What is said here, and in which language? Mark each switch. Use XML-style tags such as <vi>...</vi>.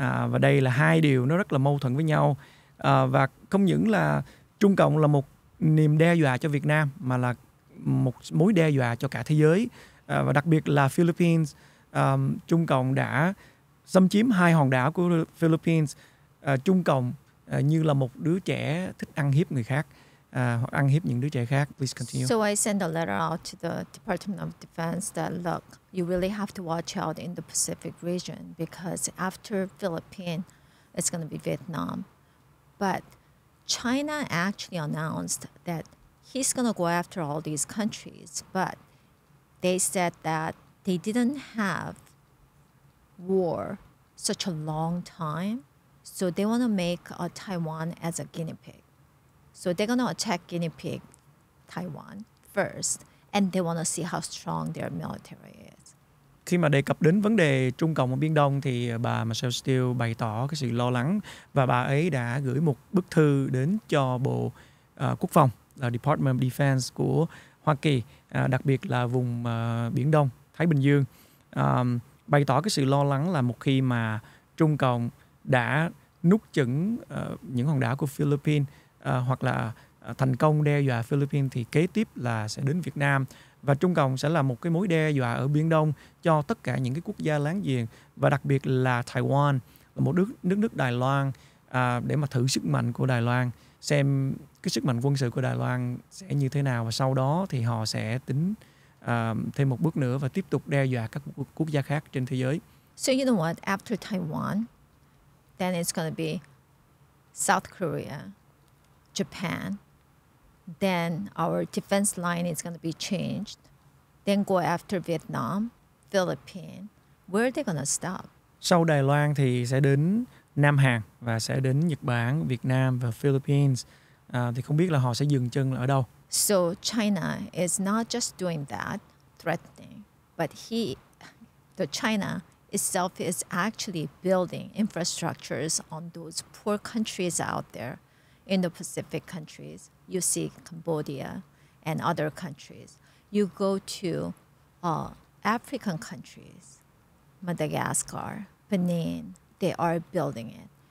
<vi>Và đây là hai điều nó rất là mâu thuẫn với nhau. Và không những là Trung Cộng là một niềm đe dọa cho Việt Nam, mà là một mối đe dọa cho cả thế giới. Và đặc biệt là Philippines, Trung Cộng đã xâm chiếm hai hòn đảo của Philippines. Trung Cộng như là một đứa trẻ thích ăn hiếp người khác, hoặc ăn hiếp những đứa trẻ khác.</vi> <en>Please continue. So I send a letter out to the Department of Defense that look, you really have to watch out in the Pacific region, because after Philippines, it's going to be Vietnam. But China actually announced that he's going to go after all these countries, but they said that they didn't have war such a long time, so they want to make Taiwan as a guinea pig. So they're going to attack guinea pig Taiwan first, and they want to see how strong their military is.</en> <vi>Khi mà đề cập đến vấn đề Trung Cộng ở Biên Đông, thì bà Marcel Steele bày tỏ cái sự lo lắng, và bà ấy đã gửi một bức thư đến cho Bộ Quốc phòng, Department of Defense của Hoa Kỳ, đặc biệt là vùng Biển Đông, Thái Bình Dương, bày tỏ cái sự lo lắng là một khi mà Trung Cộng đã nuốt chửng những hòn đảo của Philippines, hoặc là thành công đe dọa Philippines, thì kế tiếp là sẽ đến Việt Nam, và Trung Cộng sẽ là một cái mối đe dọa ở Biển Đông cho tất cả những cái quốc gia láng giềng, và đặc biệt là Taiwan, là một nước Đài Loan, để mà thử sức mạnh của Đài Loan, xem cái sức mạnh quân sự của Đài Loan sẽ như thế nào, và sau đó thì họ sẽ tính thêm một bước nữa và tiếp tục đe dọa các quốc gia khác trên thế giới.</vi> <en>So you know what? After Taiwan, then it's going to be South Korea, Japan. Then our defense line is going to be changed. Then go after Vietnam, Philippines. Where are they going to stop?</en> <vi>Sau Đài Loan thì sẽ đến Nam Hàn và sẽ đến Nhật Bản, Việt Nam và Philippines. Thì không biết là họ sẽ dừng chân ở đâu.</vi> <en>So China is not just doing that, threatening, but China itself is actually building infrastructures on those poor countries out there in the Pacific countries. You see Cambodia and other countries. You go to African countries, Madagascar, Benin, they are building it.</en>